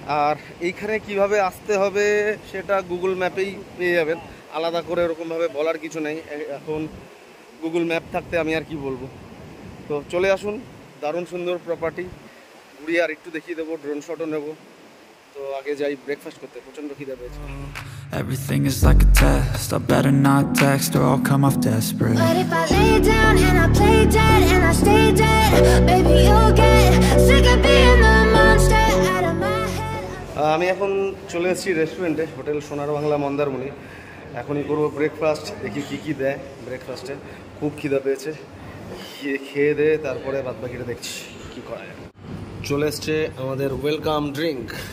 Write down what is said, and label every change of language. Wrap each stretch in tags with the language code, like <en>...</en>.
<bn>আর এইখানে কিভাবে আসতে হবে সেটা গুগল ম্যাপেই পেয়ে যাবেন, আলাদা করে ওরকমভাবে বলার কিছু নেই, এখন গুগল ম্যাপ থাকতে আমি আর কি বলবো। তো চলে আসুন, দারুণ সুন্দর প্রপার্টি, ঘুরি আর একটু দেখিয়ে দেবো, ড্রোন শটও নেবো। তো আগে যাই ব্রেকফাস্ট করতে, প্রচণ্ড খিদা পেয়েছে।</bn> <en>Everything is like a test, I better not text or I'll come off desperate. But if I lay down and I play dead and I stay dead, baby you'll get sick of being the monster out of my head.</en> <bn>আমি এখন চলে এসেছি রেস্টুরেন্টে, hotel সোনার বাংলা মন্দারমণি। এখনই করব breakfast, দেখি কী কী দেয় ব্রেকফাস্টে, খুব খিদা পেয়েছে, খেয়ে দে তারপরে বাদ বাকিটা দেখছি কী করা যায়। চলে এসছে আমাদের ওয়েলকাম ড্রিঙ্ক।</bn>